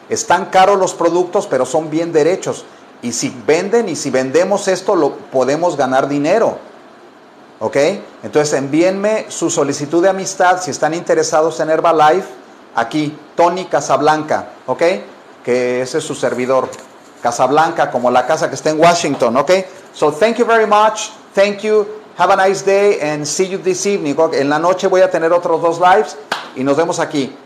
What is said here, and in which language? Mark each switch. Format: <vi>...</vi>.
<es>Están caros los productos, pero son bien derechos. Y si venden y si vendemos esto, lo podemos ganar dinero. ¿Ok? Entonces envíenme su solicitud de amistad si están interesados en Herbalife. Aquí, Tony Casablanca. ¿Ok? Que ese es su servidor. Casablanca, como la casa que está en Washington.</es> <en>¿Ok? So thank you very much. Thank you. Have a nice day and see you this evening. Okay.</en> <es>En la noche voy a tener otros dos lives y nos vemos aquí.</es>